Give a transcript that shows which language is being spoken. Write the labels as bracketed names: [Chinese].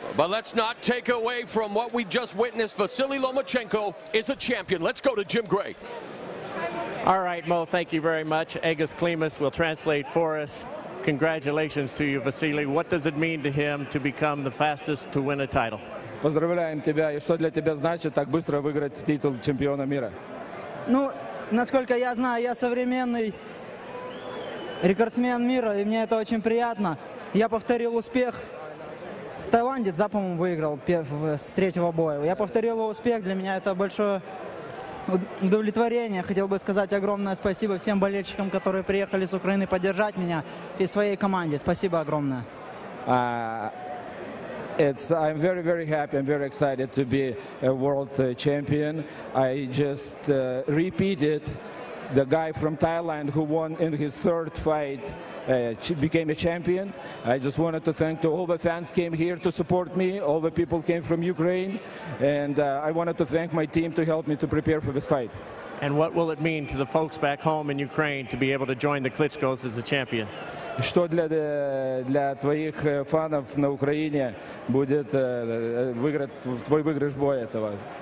[English] But let's not take away from what we just witnessed. Vasyl Lomachenko is a champion. Let's go to Jim Gray. All right, Mo, thank you very much. Agus Klimas will translate for us. Congratulations to you, Vasyl. What does it mean to him to become the fastest to win a title? [Russian] Поздравляем тебя. И что для тебя значит так быстро выиграть титул чемпиона мира? Ну, насколько я знаю, я современный рекордсмен мира, и мне это очень приятно. Я повторил успех. Таиландец, да, по-моему, выиграл с третьего боя. Я повторил его успех. Для меня это большое удовлетворение. Хотел бы сказать огромное спасибо всем болельщикам, которые приехали с Украины поддержать меня и своей команде. Спасибо огромное. [English] I'm very, very happy. I'm very excited to be a world champion. I just repeated the guy from Thailand who won in his third fight, became a champion. I just wanted to thank to all the fans came here to support me, all the people came from Ukraine, and I wanted to thank my team to help me to prepare for this fight. And what will it mean to the folks back home in Ukraine to be able to join the Klitschkos as a champion? [Russian] Что для твоих фанов на Украине будет выиграть твой выигрыш боя этого?